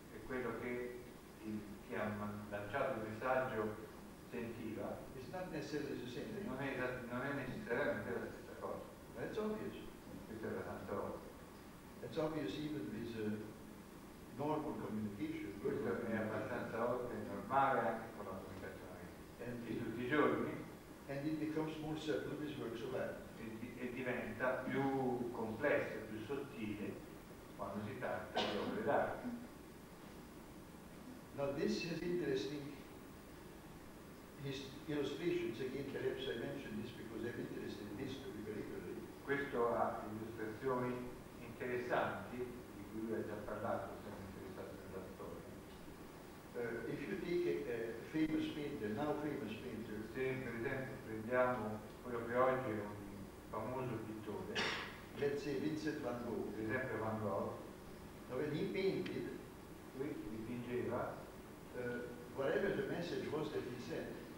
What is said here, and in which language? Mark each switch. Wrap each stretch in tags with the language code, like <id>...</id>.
<it>e quello che chi ha lanciato il messaggio sentiva,</it> <en>it's not necessarily the same thing.</en> <it>Non è necessariamente la stessa cosa.</it> <en>That's obvious.</en> <it>Questo era tanto ovvio.</it> <en>It's obvious even with normal communication.</en> <it>Questo è abbastanza ovvio e normale anche con la comunicazione.</it> <en>And</en> <it>di tutti i giorni.</it> <en>And it becomes more subtle with works of art.</en> <it>E diventa più complessa, più sottile quando si tratta di opere d'arte.</it> <en>Now this is interesting. His illustrations, again, perhaps I mentioned this because I'm interested in history very clearly.</en> <it>Questo ha illustrazioni interessanti, di cui lui ha già parlato, sono interessato nella storia.</it> <en>If you take a famous painter, now famous painter,</en> <it>se per esempio prendiamo quello che oggi è un famoso pittore,</it> <en>let's say Vincent van Gogh,</en> <it>per esempio Van Gogh,</it> <en>dove he painted,</en> <it>lui dipingeva,</it> <en>whatever the message was that he sent,</en>